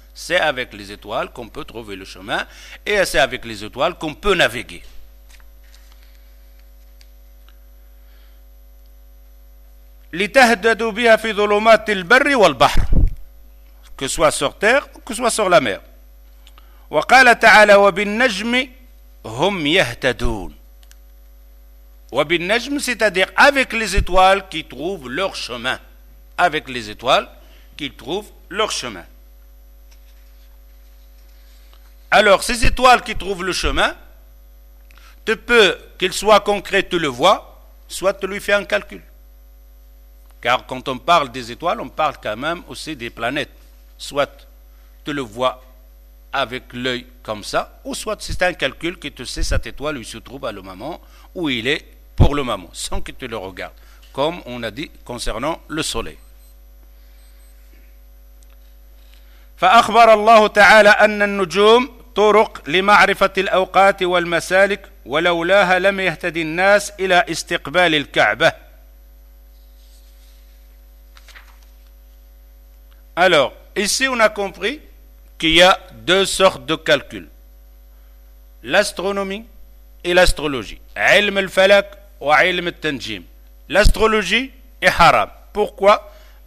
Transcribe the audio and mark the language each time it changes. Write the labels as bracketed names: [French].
[French] C'est avec les étoiles qu'on peut trouver le chemin et c'est avec les étoiles qu'on peut naviguer. [Arabic] لِتَهْتَدُوا بِهَا فِي ظُلُمَاتِ الْبَرِّ وَالْبَحْرِ [French] Que ce soit sur terre ou que ce soit sur la mer. [Arabic] وقال تعالى وبالنجم هم يهتدون. [French] وبالنجم c'est-à-dire avec les étoiles qui trouvent leur chemin. Avec les étoiles qui trouvent leur chemin. Alors ces étoiles qui trouvent le chemin, tu peux, qu'il soit concret, tu le vois, soit tu lui fais un calcul. Car quand on parle des étoiles, on parle quand même aussi des planètes. Soit tu le vois avec l'œil comme ça, ou soit c'est un calcul que tu sais cette étoile où il se trouve à le moment, où il est pour le moment, sans que tu le regardes, comme on a dit concernant le soleil. [Arabic] فأخبر الله تعالى أن النجوم طرق لمعرفة الأوقات والمسالك ولولاها لم يهتدي الناس إلى استقبال الكعبة. [French] Alors, ici on a compris qu'il y a deux sortes de calculs. L'astronomie et l'astrologie. [Arabic] علم الفلك وعلم التنجيم. [French] L'astrologie est haram. Pourquoi ?